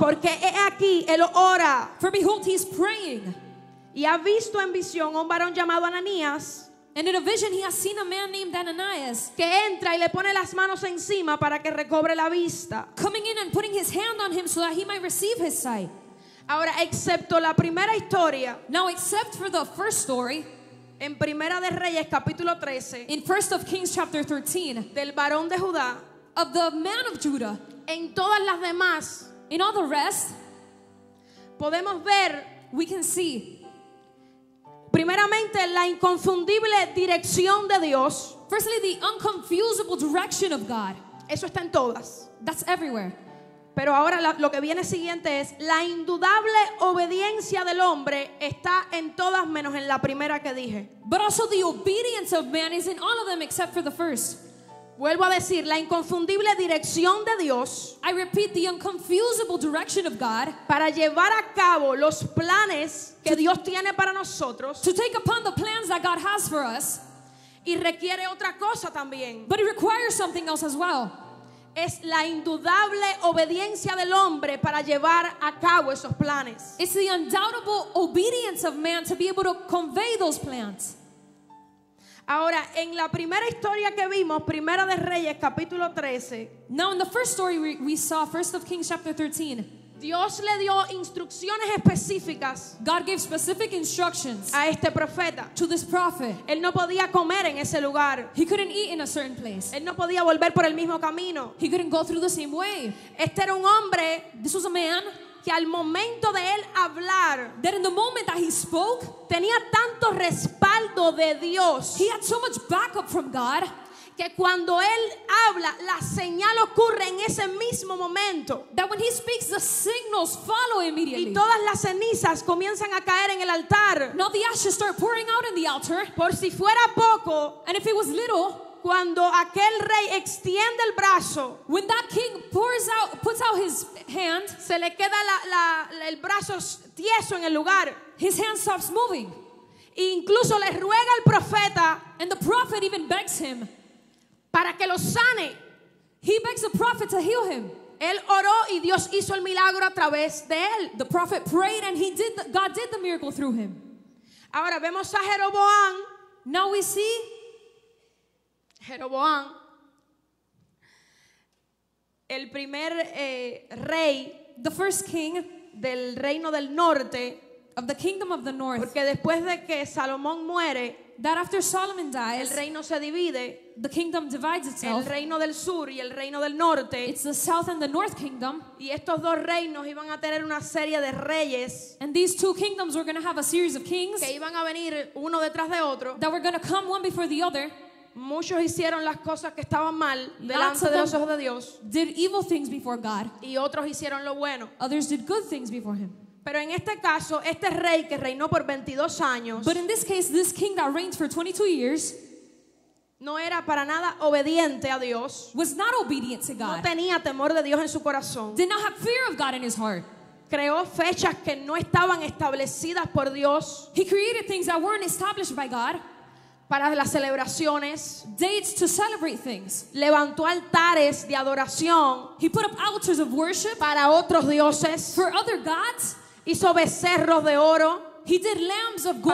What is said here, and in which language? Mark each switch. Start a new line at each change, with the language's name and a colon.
Spanish: Porque he aquí, él ora.
English: For behold, he is praying.
Spanish: Y ha visto en visión un varón llamado Ananías.
English: And in a vision, he has seen a man named Ananias.
Spanish: Que entra y le pone las manos encima para que recobre la vista.
English: Coming in and putting his hand on him so that he might receive his sight.
Spanish: Ahora, excepto la primera historia.
English: Now, except for the first story.
Spanish: En Primera de Reyes, capítulo 13.
English: In First of Kings, chapter 13.
Spanish: Del varón de Judá.
English: Of the man of Judah.
Spanish: En todas las demás,
English: in all the rest,
Spanish: podemos ver,
English: we can see,
Spanish: primeramente la inconfundible dirección de Dios.
English: Firstly, the unconfusable direction of God.
Spanish: Eso está en todas.
English: That's everywhere.
Spanish: Pero ahora lo que viene siguiente es la indudable obediencia del hombre está en todas menos en la primera que dije.
English: But also the obedience of man is in all of them except for the first.
Spanish: Vuelvo a decir, la inconfundible dirección de Dios,
English: I repeat, the inconfusable direction of God,
Spanish: para llevar a cabo los planes que Dios tiene para nosotros,
English: to take upon the plans that God has for us,
Spanish: y requiere otra cosa también,
English: but it requires something else as well,
Spanish: es la indudable obediencia del hombre para llevar a cabo esos planes.
English: It's the undoubtable obedience of man to be able to convey those plans.
Spanish: Ahora, en la primera historia que vimos, Primera de Reyes, capítulo 13.
English: Now, in the first story we saw, First of Kings, chapter 13.
Spanish: Dios le dio instrucciones específicas.
English: God gave specific instructions.
Spanish: A este profeta.
English: To this prophet.
Spanish: Él no podía comer en ese lugar.
English: He couldn't eat in a certain place.
Spanish: Él no podía volver por el mismo camino.
English: He couldn't go through the same way.
Spanish: Este era un hombre.
English: This was a man.
Spanish: Que al momento de él hablar,
English: that in the moment that he spoke,
Spanish: tenía tanto respaldo de Dios,
English: he had so much backup from God,
Spanish: que cuando él habla, la señal ocurre en ese mismo momento,
English: that when he speaks, the signals follow immediately,
Spanish: y todas las cenizas comienzan a caer en el altar.
English: Now the ashes start pouring out in the altar.
Spanish: Por si fuera poco,
English: and if it was little,
Spanish: cuando aquel rey extiende el brazo,
English: when that king puts out his hand,
Spanish: se le queda el brazo tieso en el lugar.
English: His hand stops moving.
Spanish: E incluso le ruega al profeta,
English: and the prophet even begs him,
Spanish: para que lo sane.
English: He begs the prophet to heal him.
Spanish: Él oró y Dios hizo el milagro a través de él.
English: The prophet prayed and God did the miracle through him.
Spanish: Ahora vemos a Jeroboam.
English: Now we see
Spanish: Jeroboam, el primer rey,
English: the first king
Spanish: del reino del norte,
English: of the kingdom of the north.
Spanish: Porque después de que Salomón muere,
English: that after Solomon dies,
Spanish: el reino se divide,
English: the kingdom divides itself.
Spanish: El reino del sur y el reino del norte.
English: It's the south and the north kingdom.
Spanish: Y estos dos reinos iban a tener una serie de reyes.
English: And these two kingdoms were going to have a series of kings.
Spanish: Que iban a venir uno detrás de otro.
English: That were going to come one before the other.
Spanish: Muchos hicieron las cosas que estaban mal delante de los ojos de Dios.
English: Did evil things before God.
Spanish: Y otros hicieron lo bueno.
English: Others did good things before him.
Spanish: Pero en este caso, este rey que reinó por 22 años,
English: but in this case, this king that reigned for 22 years,
Spanish: no era para nada obediente a Dios,
English: was not obedient to God,
Spanish: no tenía temor de Dios en su corazón,
English: did not have fear of God in his heart,
Spanish: creó fechas que no estaban establecidas por Dios,
English: he created things that weren't established by God,
Spanish: para las celebraciones,
English: dates to celebrate things,
Spanish: levantó altares de adoración,
English: he put up altars of worship,
Spanish: para otros dioses,
English: for other gods,
Spanish: hizo becerros de oro,
English: he did lambs of gold,